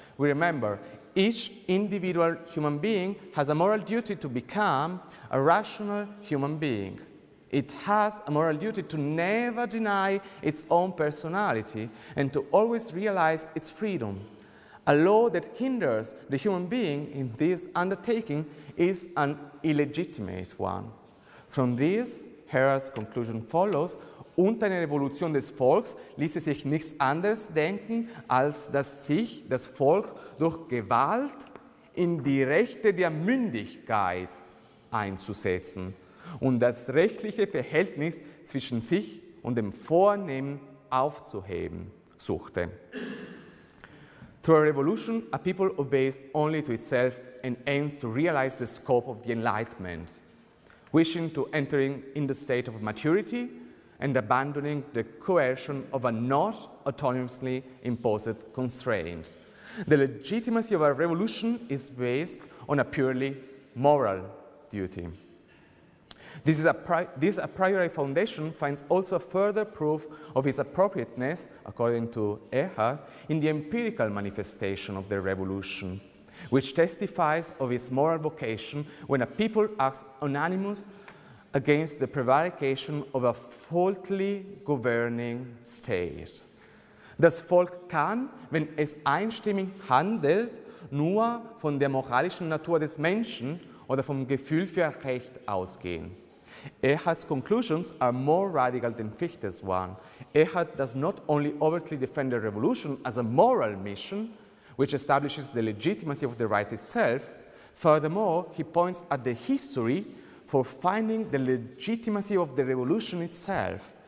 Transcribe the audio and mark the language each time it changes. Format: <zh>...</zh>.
<en>We remember, each individual human being has a moral duty to become a rational human being. It has a moral duty to never deny its own personality and to always realize its freedom. A law that hinders the human being in this undertaking is an illegitimate one. From this, Erhard's conclusion follows,</en> <de>unter einer Revolution des Volks ließe sich nichts anderes denken, als dass sich das Volk durch Gewalt in die Rechte der Mündigkeit einzusetzen und das rechtliche Verhältnis zwischen sich und dem Vornehmen aufzuheben suchte.</de> <en>Through a revolution, a people obeys only to itself and aims to realize the scope of the Enlightenment, wishing to enter in the state of maturity and abandoning the coercion of a not autonomously imposed constraint. The legitimacy of a revolution is based on a purely moral duty. This a priori foundation finds also a further proof of its appropriateness, according to Erhard, in the empirical manifestation of the revolution, which testifies of its moral vocation when a people acts unanimous against the prevarication of a faultily governing state.</en> <de>Das Volk kann, wenn es einstimmig handelt, nur von der moralischen Natur des Menschen oder vom Gefühl für Recht ausgehen.</de> <en>Erhard's conclusions are more radical than Fichte's one. Erhard does not only overtly defend the revolution as a moral mission, which establishes the legitimacy of the right itself. Furthermore, he points at the history for finding the legitimacy of the revolution itself.</en>